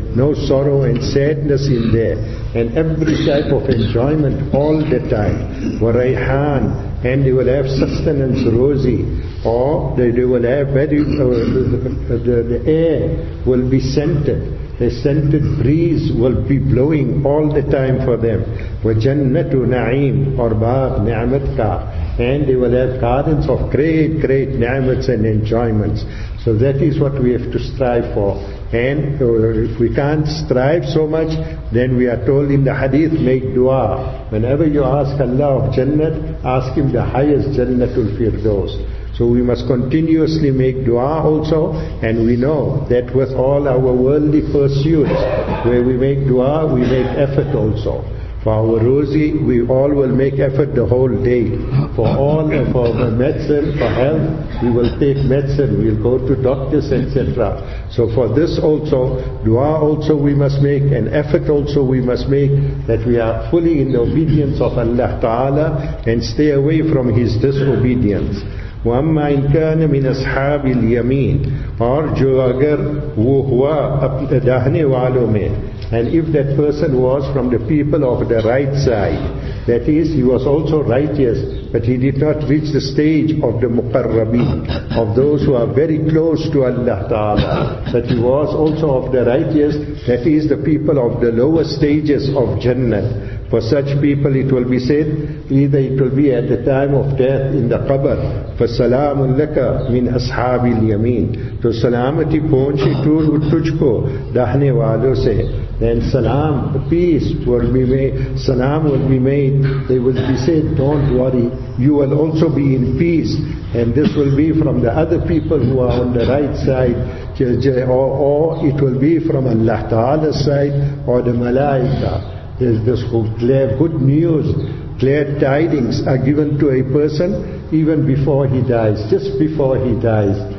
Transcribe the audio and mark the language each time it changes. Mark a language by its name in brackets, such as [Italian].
[English] No sorrow and sadness in there. And every type of enjoyment all the time. Waraihan. And they will have sustenance, rosy. Or they will have very, the air will be scented. A scented breeze will be blowing all the time for them. [Arabic] وَجَنَّةُ نَعِيمٌ or [Urdu] بَاغْ نِعْمَتْكَ. [English] And they will have gardens of great, great ni'mats and enjoyments. So that is what we have to strive for. And if we can't strive so much, then we are told in the hadith, make dua. Whenever you ask Allah of Jannat, ask Him the highest Jannatul Firdaus. So we must continuously make dua also, and we know that with all our worldly pursuits, where we make dua, we make effort also. For our rozi, we all will make effort the whole day. For all of our medicine, for health, we will take medicine, we will go to doctors, etc. So for this also, dua also we must make, and effort also we must make, that we are fully in the obedience of Allah Ta'ala, and stay away from His disobedience. [Arabic] وَأَمَّا إِنْ كَانَ مِنْ أَصْحَابِ الْيَمِينَ. [Urdu] اور جو اگر وہ ہوا دہنے والوں میں. [English] And if that person was from the people of the right side, that is, he was also righteous, but he did not reach the stage of the muqarrabin, of those who are very close to Allah Ta'ala. But he was also of the righteous, that is, the people of the lower stages of Jannah. For such people it will be said, either it will be at the time of death in the qabr, [Arabic] فَسَلَامٌ لَكَ مِنْ أَصْحَابِ الْيَمِينَ. [Urdu] تو سلامتی پہنچی تجھ کو دہنے والوں سے. [English] Then salam, peace will be made, salam will be made. They will be said, don't worry, you will also be in peace. And this will be from the other people who are on the right side. Or it will be from Allah Ta'ala's side or the Malaika. There's this good news, glad tidings are given to a person even before he dies, just before he dies.